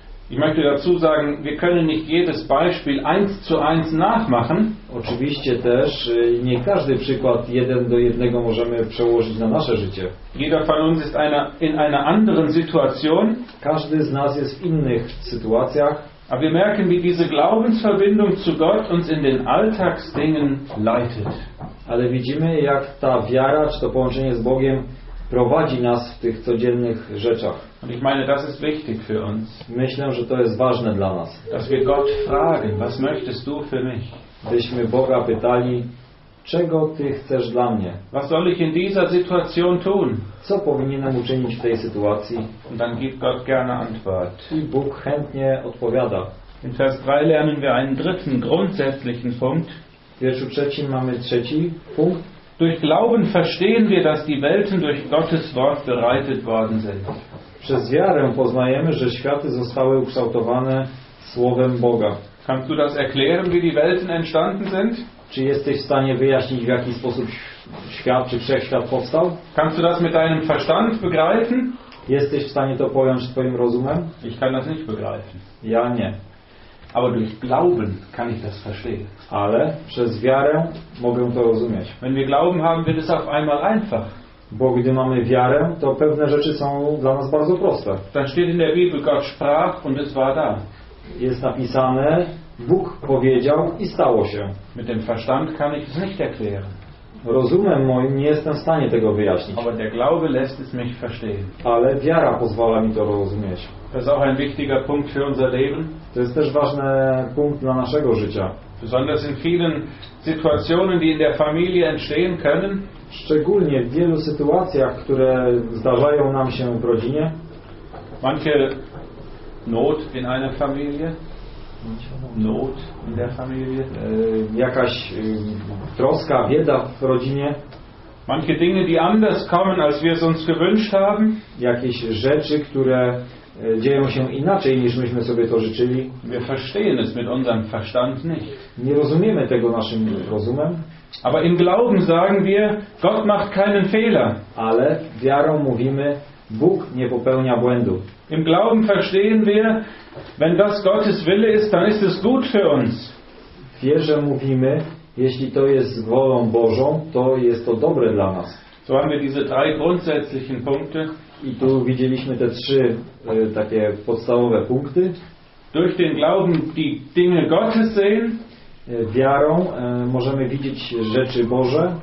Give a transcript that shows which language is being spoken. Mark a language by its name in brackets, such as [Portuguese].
[German] Ich möchte dazu sagen, wir können nicht jedes Beispiel eins zu eins nachmachen. [Polish] Oczywiście też nie każdy przykład jeden do jednego możemy przełożyć na nasze życie. [German] Jeder von uns ist in einer anderen Situation. [Polish] Każdy z nas jest w innych sytuacjach. [German] Aber wir merken, wie diese Glaubensverbindung zu Gott uns in den Alltagsdingen leitet. [Polish] Ale widzimy, jak ta wiara, czy to połączenie z Bogiem prowadzi nas w tych codziennych rzeczach. [German] Und ich meine, das ist wichtig für uns. [Polish] Myślę, że to jest ważne dla nas. [German] Dass wir Gott fragen, was möchtest du für mich? [Polish] Byśmy Boga pytali, czego ty chcesz dla mnie? [German] Was soll ich in dieser Situation tun? [Polish] Co powinienem uczynić w tej sytuacji? [German] Und dann gibt Gott gerne Antwort. [Polish] I Bóg chętnie odpowiada. [German] In Vers 3 lernen wir einen dritten grundsätzlichen Punkt. [Polish] W wierszu trzecim mamy trzeci punkt. [German] Durch Glauben verstehen wir, dass die Welten durch Gottes Wort bereitet worden sind. [Polish] Przez wiarę poznajemy, że światy zostały ukształtowane słowem Boga. [German] Kannst du das erklären, wie die Welten entstanden sind? [Polish] Czy jesteś w stanie wyjaśnić, w jaki sposób świat czy wszechświat powstał? [German] Kannst du das mit deinem Verstand begreifen? [Polish] Jesteś w stanie to pojąć twoim rozumem? [German] Ich kann das nicht begreifen. [Polish] Ja nie. [German] Aber durch Glauben kann ich das verstehen. [Polish] Ale przez wiarę mogę to rozumieć. [German] Wenn wir Glauben haben, wird es auf einmal einfach. [Polish] Bo gdy mamy wiarę, to pewne rzeczy są dla nas bardzo proste. [German] Dann steht in der Bibel, Gott sprach und es war da. [Polish] Jest napisane, Bóg powiedział i stało się. [German] Mit dem Verstand kann ich es nicht erklären. [Polish] Rozumem moim nie jestem w stanie tego wyjaśnić. [German] Aber der Glaube lässt es mich verstehen. [Polish] Ale wiara pozwala mi to rozumieć. [German] Das ist auch ein wichtiger Punkt für unser Leben. [Polish] To jest też ważny punkt dla naszego życia. [German] Besonders in vielen Situationen, die in der Familie entstehen können. [Polish] Szczególnie w wielu sytuacjach, które zdarzają nam się w rodzinie. [German] Manche Not in einer Familie. Not in der Familie. [Polish] Jakaś troska, bieda w rodzinie. [German] Manche Dinge, die anders kommen, als wir es uns gewünscht haben. [Polish] Jakieś rzeczy, które dzieją się inaczej, niż myśmy sobie to życzyli. [German] Wir verstehen es mit unserem Verstand nicht. [Polish] Nie rozumiemy tego naszym rozumem. [German] Aber im Glauben sagen wir, Gott macht keinen Fehler. [Polish] Ale wiarą mówimy, Bóg nie popełnia błędu. [German] Im Glauben verstehen wir, wenn das Gottes Wille ist, dann ist es gut für uns. [Polish] W wierze mówimy, jeśli to jest wolą Bożą, to jest to dobre dla nas. [German] So haben wir diese drei grundsätzlichen Punkte. [Polish] I tu widzieliśmy te trzy takie podstawowe punkty. [German] durch den Glauben die Dinge Gottes sehen. [Polish] Wiarą możemy widzieć rzeczy Boże.